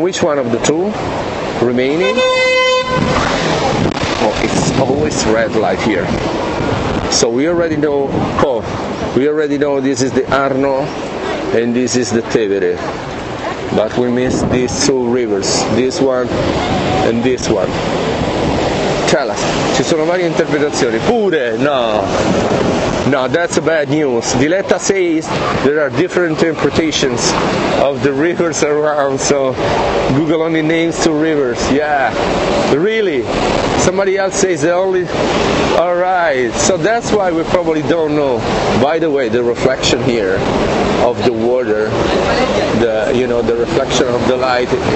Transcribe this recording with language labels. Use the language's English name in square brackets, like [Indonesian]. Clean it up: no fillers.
[English] Which one of the two remaining? Oh, it's always red light here. So we already know, we already know this is the Arno and this is the Tevere. But we miss these two rivers, this one and this one. Tell us, [Italian] ci sono varie interpretazioni, pure, no. [English] No, that's bad news. Diletta says there are different interpretations of the rivers around, so Google only names two rivers. Yeah, really? Somebody else says the only... All right, so that's why we probably don't know. By the way, the reflection here of the water, the, you know, the reflection of the light.